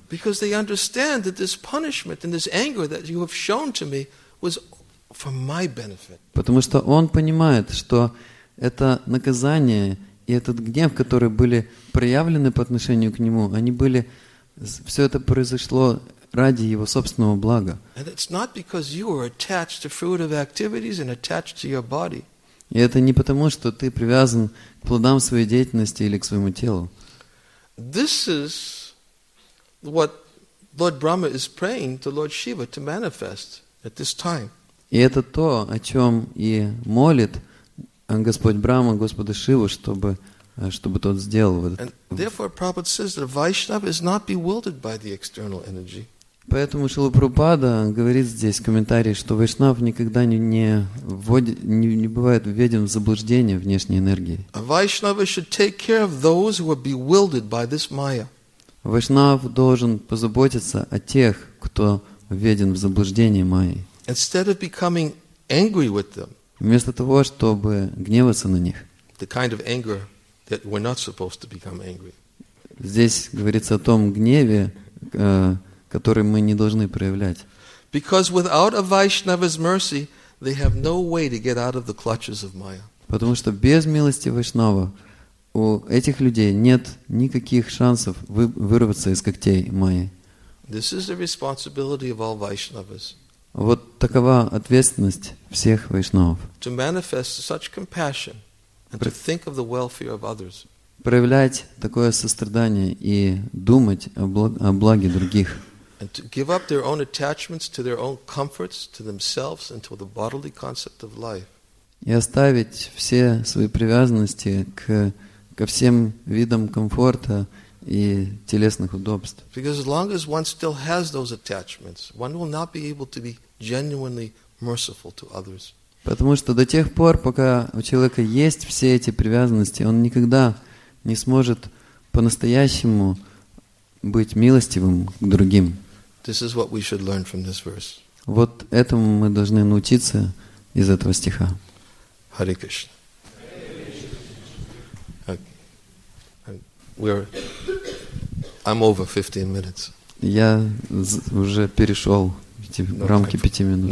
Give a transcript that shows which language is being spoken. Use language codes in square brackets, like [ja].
[en] Because they understand that this punishment and this anger that you have shown to me was for my benefit. [ru] Потому что он понимает, что это наказание и этот гнев, которые были проявлены по отношению к нему, они были, все это произошло ради его собственного блага. [en] And it's not because you are attached to fruitive activities and attached to your body. [ru] И это не потому, что ты привязан к плодам своей деятельности или к своему телу. [en] This is what Lord Brahma is praying to Lord Shiva to manifest at this time. [ru] И это то, о чем и молит Господь Брама Господа Шиву, чтобы тот сделал. [en] And therefore, Prabhupada says that Vaishnava is not bewildered by the external energy. [ru] Поэтому Шрила Прабхупада говорит здесь в комментарии, что вайшнав никогда не бывает введен в заблуждение внешней энергии. [en] Vaishnava should take care of those who are bewildered by this maya. [ru] Вайшнав должен позаботиться о тех, кто введен в заблуждение майей. [en] Instead of becoming angry with them. [ru] Вместо того, чтобы гневаться на них. [en] The kind of anger that we're not supposed to become angry. [ru] Здесь говорится о том гневе, который мы не должны проявлять. [en] Because without a Vaishnava's mercy, they have no way to get out of the clutches of Maya. [ru] Потому что без милости Вайшнава у этих людей нет никаких шансов вырваться из когтей Майи. [en] This is the responsibility of all Vaishnavas. [ru] Вот такова ответственность всех Вайшнавов. [en] To manifest such compassion and to think of the welfare of others. [ru] Проявлять такое сострадание и думать о благе других. [en] and to give up their own attachments to their own comforts, to themselves, and to the bodily concept of life. [ru] И оставить все свои привязанности к ко всем видам комфорта и телесных удобств. [en] Because as long as one still has those attachments, one will not be able to be genuinely merciful to others. [ru] Потому что до тех пор, пока у человека есть все эти привязанности, он никогда не сможет по-настоящему быть милостивым к другим. [en] This is what we should learn from this verse. [ru] Вот этому мы должны научиться из этого стиха. [en] Hare Krishna. I'm over 15 minutes. [ru] Я уже перешел в рамки 5 минут.